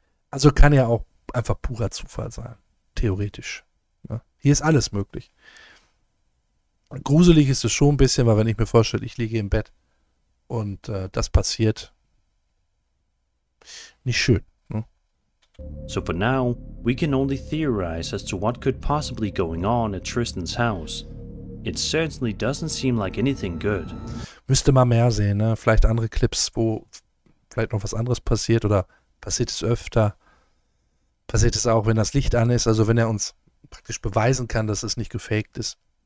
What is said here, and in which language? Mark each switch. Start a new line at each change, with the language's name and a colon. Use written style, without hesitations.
German: Also kann ja auch einfach purer Zufall sein, theoretisch. Ne? Hier ist alles möglich. Gruselig ist es schon ein bisschen, weil wenn ich mir vorstelle, ich liege im Bett und das passiert, nicht schön. Ne?
English: So for now, we can only theorize as to what could possibly going on at Tristan's house. It certainly doesn't seem like anything good.
German: Müsste mal mehr sehen, ne? Vielleicht andere Clips, wo vielleicht noch was anderes passiert oder passiert es öfter. Passiert es auch, wenn das Licht an ist, also wenn er uns praktisch beweisen kann, dass es nicht gefaked ist.